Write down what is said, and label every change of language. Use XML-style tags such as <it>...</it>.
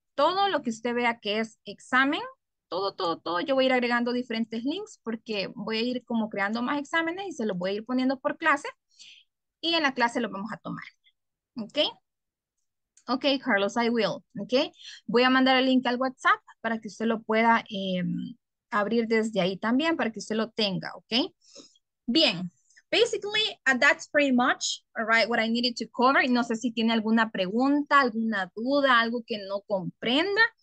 <es>Todo lo que usted vea que es examen, todo, yo voy a ir agregando diferentes links porque voy a ir como creando más exámenes y se los voy a ir poniendo por clase y en la clase los vamos a tomar. ¿Ok? Ok,</es> <en>Carlos, I will.</en> <es>¿Ok? Voy a mandar el link al WhatsApp para que usted lo pueda abrir desde ahí también, para que usted lo tenga. ¿Ok? Bien.</es> <en>Basically, that's pretty much, all right, what I needed to cover.</en> <es>No sé si tiene alguna pregunta, alguna duda, algo que no comprenda.</es>